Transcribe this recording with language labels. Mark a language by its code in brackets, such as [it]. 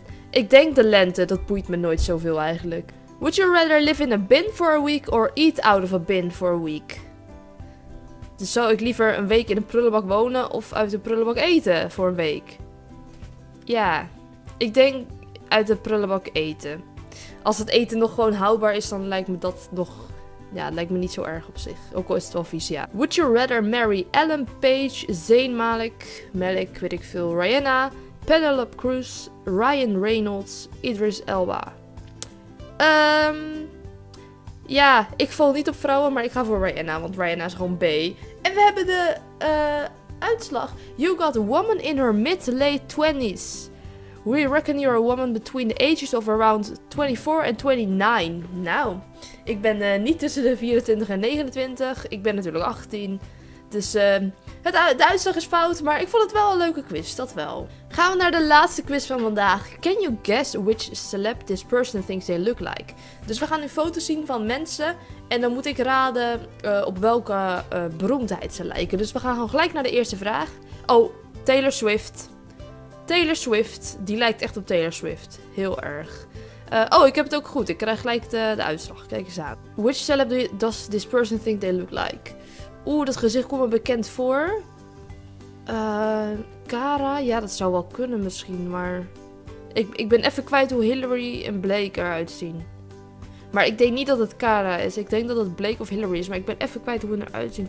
[nl] Ik denk de lente. Dat boeit me nooit zoveel eigenlijk. [en] Would you rather live in a bin for a week or eat out of a bin for a week? [nl] Dus zou ik liever een week in een prullenbak wonen of uit een prullenbak eten voor een week? Ja, ik denk uit de prullenbak eten. Als het eten nog gewoon houdbaar is, dan lijkt me dat nog... Ja, lijkt me niet zo erg op zich. Ook al is het wel vies, ja. [en] Would you rather marry Ellen Page, Zayn Malik, Rihanna, Penelope Cruz, Ryan Reynolds, Idris Elba? [nl] Ja, ik val niet op vrouwen, maar ik ga voor Rihanna, want Rihanna is gewoon B. En we hebben de, uitslag. [en] You got a woman in her mid-late 20s. We reckon you're a woman between the ages of around 24 and 29. [nl] Nou, ik ben niet tussen de 24 en 29. Ik ben natuurlijk 18. Dus, de uitslag is fout, maar ik vond het wel een leuke quiz, dat wel. Gaan we naar de laatste quiz van vandaag. [en] Can you guess which celeb this person thinks they look like? [nl] Dus we gaan nu foto's zien van mensen. En dan moet ik raden op welke beroemdheid ze lijken. Dus we gaan gewoon gelijk naar de eerste vraag. Oh, Taylor Swift. Taylor Swift, die lijkt echt op Taylor Swift. Heel erg. Ik heb het ook goed. Ik krijg gelijk de uitslag. Kijk eens aan. [en] Which celeb does this person think they look like? [nl] Oeh, dat gezicht komt me bekend voor. Cara? Ja, dat zou wel kunnen misschien, maar... Ik ben even kwijt hoe Hillary en Blake eruit zien. Maar ik denk niet dat het Cara is. Ik denk dat het Blake of Hillary is, maar ik ben even kwijt hoe hun eruit zien.